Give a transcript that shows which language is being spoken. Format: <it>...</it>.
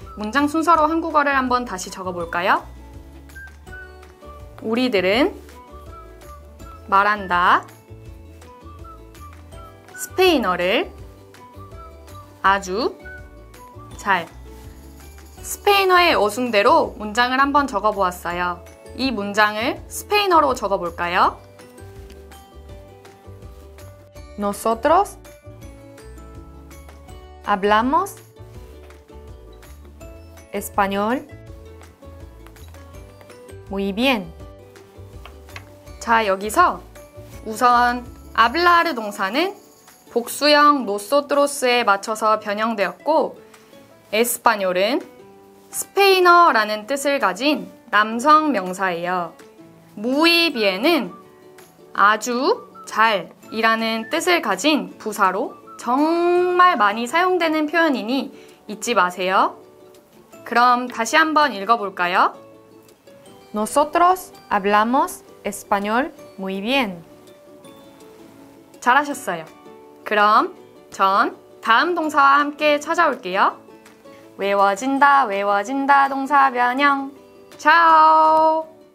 <ko>문장 순서로 한국어를 한번 다시 적어볼까요? 우리들은 말한다. 스페인어를 아주 잘. 스페인어의 어순대로 문장을 한번 적어보았어요. 이 문장을 스페인어로 적어볼까요?</ko> <es>Nosotros hablamos español muy bien.</es> <ko>자, 여기서 우선 hablar 동사는 복수형 nosotros에 맞춰서 변형되었고, español은 스페인어라는 뜻을 가진 남성 명사예요.</ko> <es>muy bien</es> <ko>은 아주 잘 이라는 뜻을 가진 부사로 정말 많이 사용되는 표현이니 잊지 마세요. 그럼 다시 한번 읽어볼까요?</ko> <es>Nosotros hablamos español muy bien.</es> <ko>잘하셨어요. 그럼 전 다음 동사와 함께 찾아올게요. 외워진다, 외워진다, 동사 변형. 차오!</ko>